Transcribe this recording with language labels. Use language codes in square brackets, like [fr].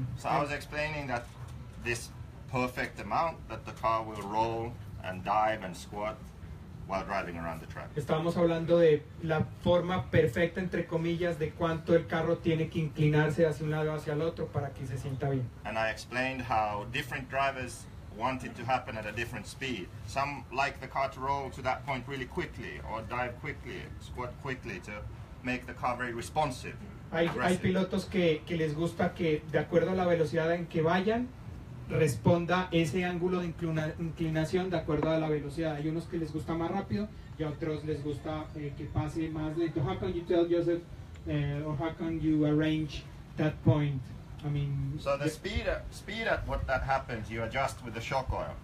[en] So I was explaining that this perfect amount that the car will roll and dive and squat while driving around the track. [es] Estábamos hablando de la forma perfecta entre comillas de cuánto el carro tiene que inclinarse hacia un lado o hacia el otro para que se sienta bien. [en] And I explained how different drivers want it to happen at a different speed. Some like the car to roll to that point really quickly, or dive quickly, squat quickly to make the car very responsive. [es] Hay pilotos que les gusta que de acuerdo a la velocidad en que vayan responda ese ángulo de inclinación de acuerdo a la velocidad. Hay unos que les gusta más rápido y a otros les gusta que pase más lento. [en] How can you tell Joseph or how can you arrange that point? So the speed at what that happens, you adjust with the shock oil.